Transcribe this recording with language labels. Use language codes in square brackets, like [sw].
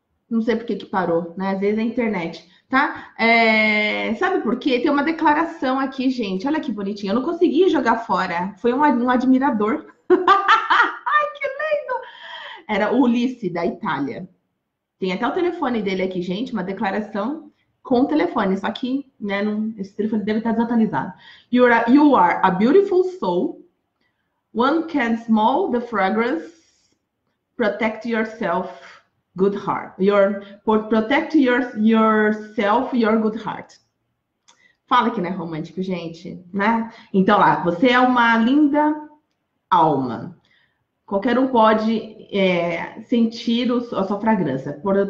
[pt] Não sei por que que parou, né? Às vezes é a internet, tá? Sabe por quê? Tem uma declaração aqui, gente. Olha que bonitinho. Eu não consegui jogar fora. Foi um admirador. Ai, que lindo! Era o Ulisse, da Itália. Tem até o telefone dele aqui, gente, uma declaração com o telefone, só que, né, não, esse telefone deve estar desatualizado. [en] You are a beautiful soul. One can smell the fragrance. Protect yourself, good heart. Protect yourself, your good heart. [pt] Fala que não é romântico, gente, né? Então lá, você é uma linda alma. Qualquer um pode. Sentir a sua fragrância.